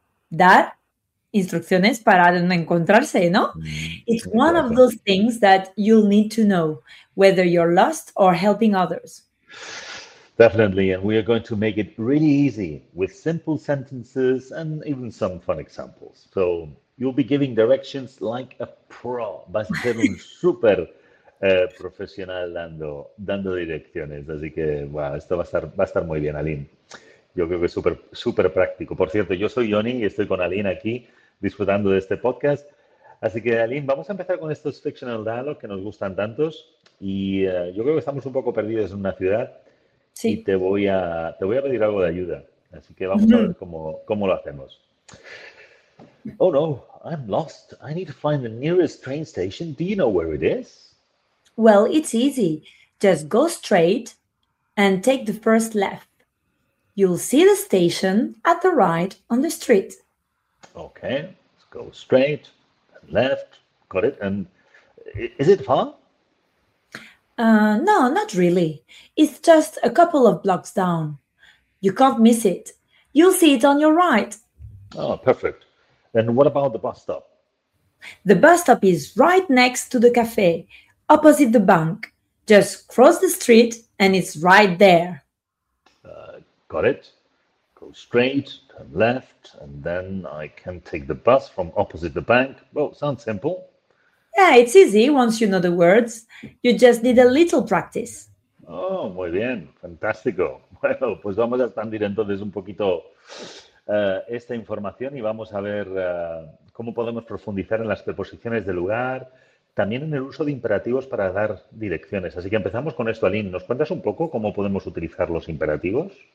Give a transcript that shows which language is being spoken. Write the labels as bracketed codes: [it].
[es] Dar instrucciones para donde encontrarse, ¿no? [en] It's one of those things that you'll need to know, whether you're lost or helping others. Definitely, and we are going to make it really easy with simple sentences and even some fun examples. So you'll be giving directions like a pro. [es] Vas a ser un super profesional dando direcciones. Así que, wow, esto va a estar muy bien, Aline. Yo creo que es super, super práctico. Por cierto, yo soy Johnny y estoy con Aline aquí disfrutando de este podcast. Así que, Aline, vamos a empezar con estos [en] fictional dialogues [es] que nos gustan tantos. Y yo creo que estamos un poco perdidos en una ciudad. Sí. Y te voy a pedir algo de ayuda. Así que vamos a ver cómo lo hacemos. [en] Oh, no, I'm lost. I need to find the nearest train station. Do you know where it is? Well, it's easy. Just go straight and take the first left. You'll see the station at the right on the street. Okay, let's go straight, left, got it. And is it far? No, not really. It's just a couple of blocks down. You can't miss it. You'll see it on your right. Oh, perfect. And what about the bus stop? The bus stop is right next to the cafe, opposite the bank. Just cross the street and it's right there. Got it. Go straight, turn left, and then I can take the bus from opposite the bank. Well, sounds simple. Yeah, it's easy once you know the words. You just need a little practice. [es] Oh, muy bien. Fantástico. Bueno, pues vamos a expandir entonces un poquito esta información y vamos a ver cómo podemos profundizar en las preposiciones de lugar, también en el uso de imperativos para dar direcciones. Así que empezamos con esto, Aline. ¿Nos cuentas un poco cómo podemos utilizar los imperativos?